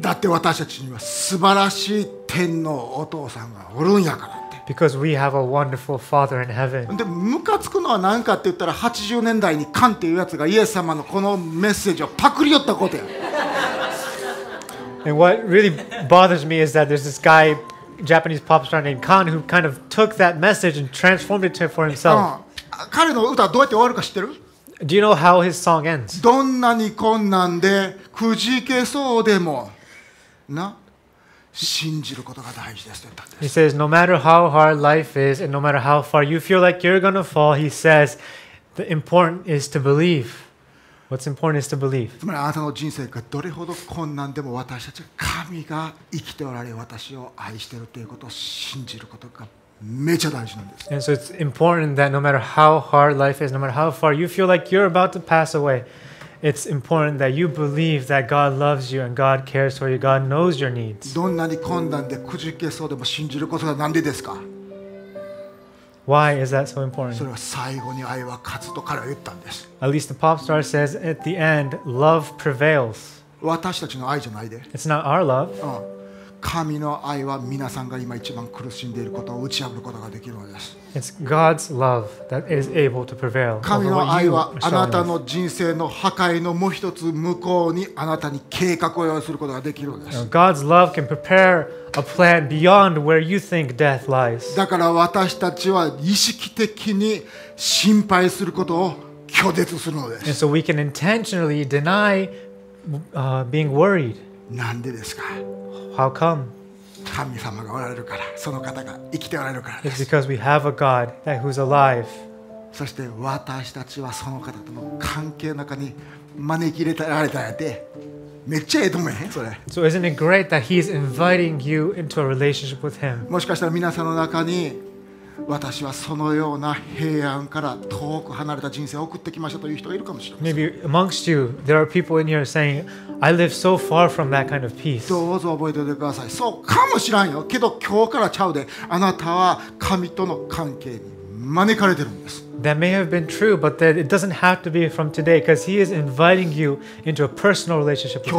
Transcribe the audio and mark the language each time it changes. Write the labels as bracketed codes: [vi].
[ja] だって私たちには素晴らしい天のお父さんがおるんやから。 [en] Because we have a wonderful Father in heaven. [ja] で、ムカつくのは何かって言ったら、80年代にカンっていうやつがイエス様のこのメッセージをパクリ寄ったことや。 [en] And what really bothers me is that there's this guy, Japanese pop star named Kan, who kind of took that message and transformed it for himself. [ja] 彼の歌どうやって終わるか知ってる？ [en] Do you know how his song ends? [ja] どんなに困難でくじけそうでもな。信じることが大事ですと言ったんです。 [en] He says, no matter how hard life is and no matter how far you feel like you're gonna fall, he says, the important is to believe. What's important is to believe. [ja] つまりあなたの人生がどれほど困難でも私たち神が生きておられ私を愛しているということを信じることがめちゃ大事なんです。 [en] And so it's important that no matter how hard life is, no matter how far you feel like you're about to pass away. It's important that you believe that God loves you and God cares for you. God knows your needs. [ja] どんなに困難でくじけそうでも信じることが何でですか？ [en] Why is that so important? [ja] それは最後に愛は勝つと彼は言ったんです。 [en] At least the pop star says at the end, love prevails. [ja] 私たちの愛じゃないで。 [en] It's not our love. [ja] 神の愛は皆さんが今一番苦しんでいることを打ち破ることができるのです。 [en] It's God's love that is able to prevail. [ja] 神の愛はあなたの人生の破壊のもう一つ向こうにあなたに計画を用意することができるのです。 [en] God's love can prepare a plan beyond where you think death lies. [ja] だから私たちは意識的に心配することを拒絶するのです。 [en] And so we can intentionally deny being worried. [ja] なんでですか？ [en] How come? [ja] 神様がおられるから、その方が生きておられるからです。 [en] It's because we have a God that who's alive. [ja] そして私たちはその方との関係の中に招き入れられたやで。めっちゃええと思えへん、それ。 [en] So isn't it great that he's inviting you into a relationship with him? [ja] もしかしたら皆さんの中に私はそのような平安から遠く離れた人生を送ってきましたという人がいるかもしれません。 [en] Maybe amongst you, there are people in here saying, I live so far from that kind of peace. [ja] どうぞ覚えておいてください。そうかもしれんよ。けど今日からちゃうで、あなたは神との関係に招かれてるんです。 [en] That may have been true, but that it doesn't have to be from today, because He is inviting you into a personal relationship with Him.